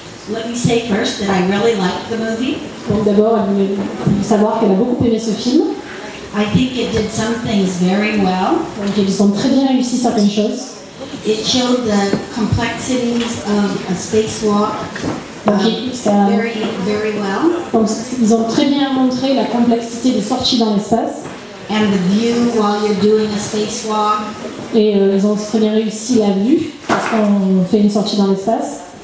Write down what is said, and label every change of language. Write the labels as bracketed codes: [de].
[en] Let me say first that I really liked the movie. [fr] Donc d'abord, elle voulait savoir qu'elle a beaucoup aimé ce film. [en] I think it did some things very well. [fr] Donc ils ont très bien réussi certaines choses. [en] It showed the complexities of a spacewalk. [fr] Donc, [en] very well. [fr] Donc ils ont très bien montré la complexité des sorties dans l'espace. [en] And the view while you're doing a spacewalk. [fr] Et ils ont très bien réussi la vue parce qu'on fait une sortie dans l'espace.